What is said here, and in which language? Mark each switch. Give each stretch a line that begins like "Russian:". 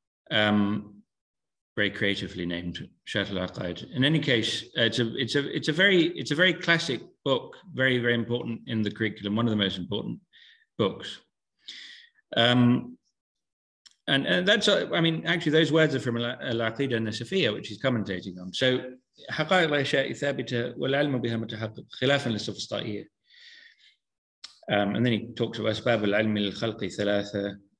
English: Very creatively named Sharh al-Aqaid. In any case, it's a very classic book, very, very important in the curriculum, one of the most important books. And that's, I mean, actually, those words are from Al-Aqida and the Safiya, which he's commentating on.
Arabic: So, حقائق الأشياء ثابتة والعلم بها متحقق خلافا للسفسطائية.
English: And then he talks about
Arabic: أسباب العلم للخلق ثلاثة.